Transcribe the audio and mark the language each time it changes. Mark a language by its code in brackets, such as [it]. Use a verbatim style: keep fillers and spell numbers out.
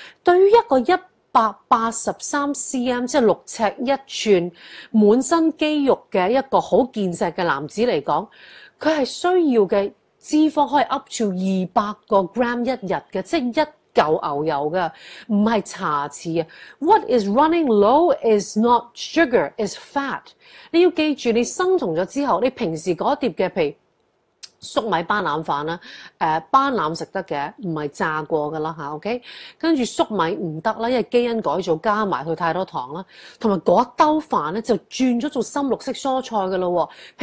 [yue] 對於一個一百八十三 cm 即係六尺一寸滿身肌肉嘅一個好健碩嘅男子嚟講，佢係需要嘅脂肪可以 [en] up to [yue] 二百個 gram 一日嘅，即係一。舊牛油㗎，唔係茶匙啊。 [en] What is running low is not sugar, is fat。 [yue] 你要記住，你生酮咗之後，你平時嗰碟嘅譬如粟米斑腩飯啦，誒斑腩食得嘅，唔係炸過㗎啦嚇 ，OK。跟住粟米唔得啦，因為基因改造加埋佢太多糖啦，同埋嗰兜飯咧就轉咗做深綠色蔬菜㗎咯喎。